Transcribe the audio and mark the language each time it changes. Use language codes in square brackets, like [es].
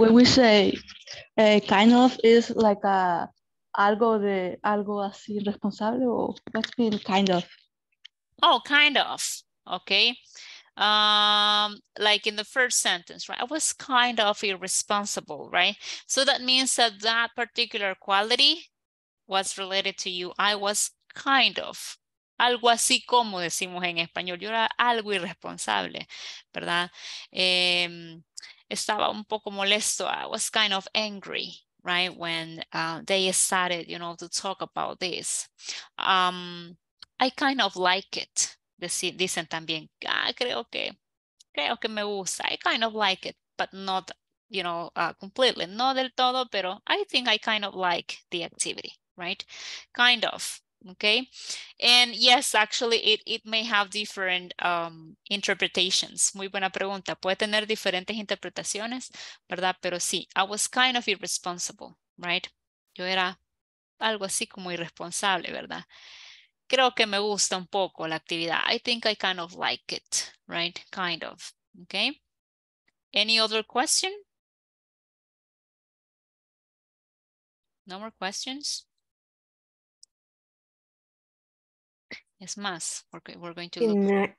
[en] When we say kind of is like a [es] algo de algo así responsable [en] or what's been kind of? Oh, kind of. Okay. Like in the first sentence, right? I was kind of irresponsible, right? So that means that particular quality was related to you. I was kind of. [es] Algo así como decimos en español. Yo era algo irresponsable, ¿verdad? Estaba un poco molesto. [en] I was kind of angry, right? When they started, you know, to talk about this. I kind of like it. [es] Dicen también, creo que me gusta. [en] I kind of like it, but not, you know, completely. [es] No del todo, pero [en] I think I kind of like the activity, right? Kind of. Okay. And yes, actually, it may have different interpretations. [es] Muy buena pregunta. Puede tener diferentes interpretaciones, ¿verdad? Pero sí, [en] I was kind of irresponsible, right? [es] Yo era algo así como irresponsable, ¿verdad? Creo que me gusta un poco la actividad. [en] I think I kind of like it, right? Kind of. Okay. Any other question? No more questions? [es] Es más, porque [en] we're going to look.